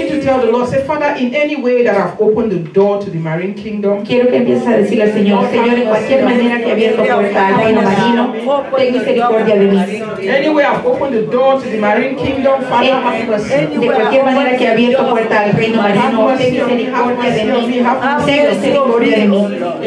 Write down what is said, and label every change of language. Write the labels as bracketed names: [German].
[English] In any way that I've opened the door to the marine kingdom. [Spanish] Quiero que empieces a decirle al Señor, Señor, en cualquier manera que he abierto puerta al reino marino, ten misericordia de mí. [English] Any way I've opened the door to the marine kingdom, Father, [Spanish] de cualquier manera que he abierto puerta al reino marino, ten misericordia de mí.